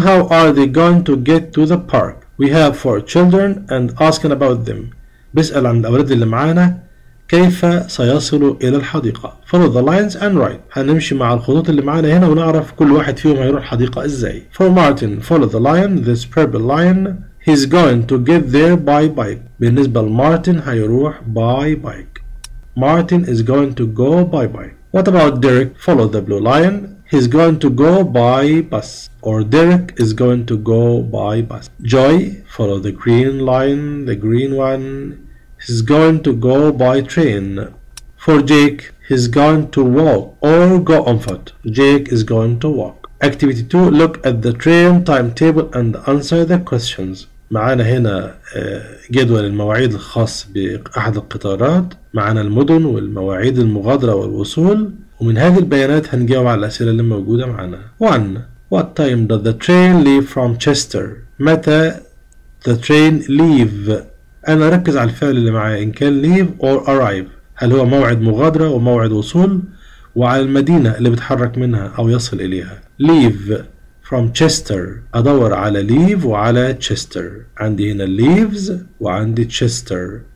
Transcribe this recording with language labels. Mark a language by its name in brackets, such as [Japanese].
[English] How are they going to get to the park? We have 4 children and asking about them. [Arabic] بسأل عن الأولاد اللي معانا كيف سيصلوا إلى الحديقة. [English] Follow the lines and write. [Arabic] هنمشي مع الخطوط اللي معانا هنا ونعرف كل واحد فيهم هيروح الحديقة إزاي. [English] For Martin, follow the lion, this purple lion. He's going to get there by bike. [Arabic] بالنسبة لمارتن هيروح [English] by bike. Martin is going to go by bike. What about Derek? Follow the blue lion. He's going to go by bus. Or Derek is going to go by bus. Joy, follow the green line, the green one. he's going to go by train. For Jake, he's going to walk or go on foot. Jake is going to walk. Activity 2, look at the train timetable and answer the questions. [Arabic] معنا هنا جدول المواعيد الخاص بأحد القطارات، معنا المدن والمواعيد المغادرة والوصول، ومن هذه البيانات هنجاوب على الأسئلة اللي موجودة معنا. 1. [English] What time does the train leave from Chester? [Arabic] متى [English] the train leave؟ [Arabic] انا ركز على الفعل اللي معايا، ان كان [English] leave or arrive، [Arabic] هل هو موعد مغادرة وموعد وصول، وعلى المدينة اللي بتحرك منها او يصل اليها. [English] leave from Chester، [Arabic] ادور على leave وعلى Chester، عندي هنا leaves وعندي Chester.